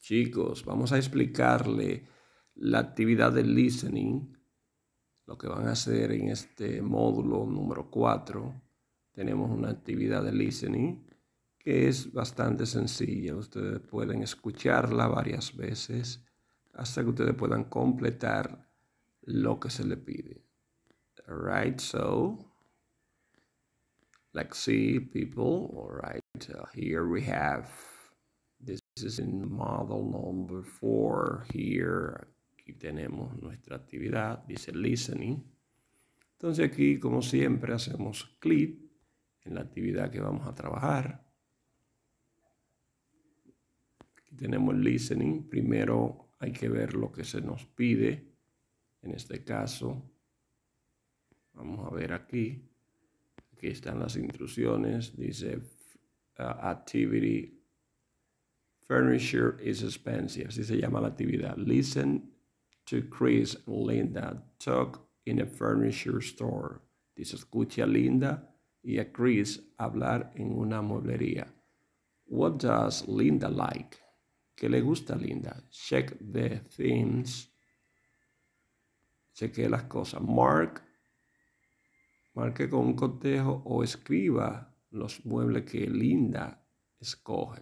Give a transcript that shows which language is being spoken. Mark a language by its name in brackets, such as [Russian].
[Spanish] Chicos, vamos a explicarle la actividad de listening, lo que van a hacer en este módulo número 4. Tenemos una actividad de listening que es bastante sencilla. Ustedes pueden escucharla varias veces hasta que ustedes puedan completar lo que se le pide. [English] All right, so let's see, people. All right, here we have this is in model number 4. Here, [Spanish] aquí tenemos nuestra actividad, dice listening. Entonces, aquí, como siempre, hacemos clic en la actividad que vamos a trabajar. Aquí tenemos listening. Primero hay que ver lo que se nos pide en este caso. Vamos a ver aquí. Aquí están las instrucciones. Dice, [English] activity. Furniture is expensive. [Spanish] Así se llama la actividad. [English] Listen to Chris and Linda talk in a furniture store. [Spanish] Dice, escucha a Linda y a Chris hablar en una mueblería. [English] What does Linda like? [Spanish] ¿Qué le gusta a Linda? [English] Check the things. [Spanish] Chequee las cosas. Marque con un cotejo o escriba los muebles que Linda escoge.